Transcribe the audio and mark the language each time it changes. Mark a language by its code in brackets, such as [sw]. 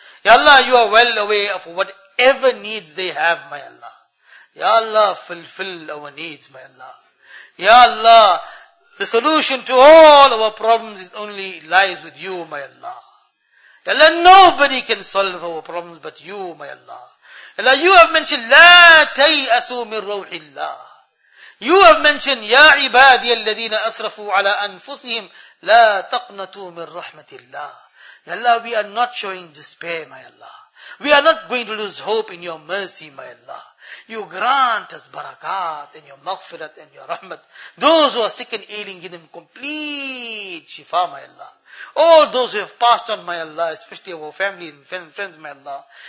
[en] Ya Allah, you are well aware of whatever needs they have, my Allah. Ya Allah, fulfill our needs, my Allah. Ya Allah, the solution to all our problems is only lies with you, my Allah. Ya Allah, nobody can solve our problems but you, my Allah. Allah, you have mentioned, [ar] لا تيأسوا من روح الله. [en] You have mentioned, [ar] يا عبادي الذين أسرفوا على أنفسهم لا تقنطوا من رحمة الله. [en] Ya Allah, we are not showing despair, my Allah. We are not going to lose hope in your mercy, my Allah. You grant us barakat and your maghfirat and your rahmat. Those who are sick and ailing, give them complete shifa, my Allah. All those who have passed on, my Allah, especially our family and friends, my Allah.